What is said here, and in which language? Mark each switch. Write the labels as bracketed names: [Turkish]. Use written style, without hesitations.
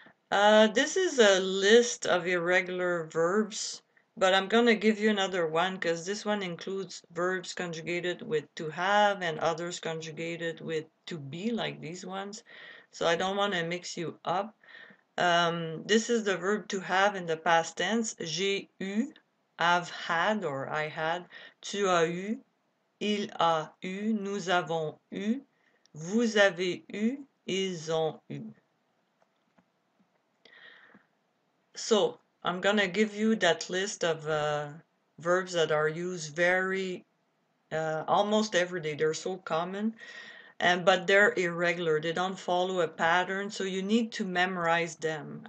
[English] This is a list of irregular verbs, but I'm going to give you another one because this one includes verbs conjugated with to have and others conjugated with to be, like these ones. So I don't want to mix you up. This is the verb to have in the past tense. [French] J'ai eu, [English] have had or I had. [French] Tu as eu, il a eu, nous avons eu, vous avez eu, ils ont eu. [English] So I'm going to give you that list of verbs that are used very, almost every day. They're so common. But they're irregular. They don't follow a pattern, so you need to memorize them.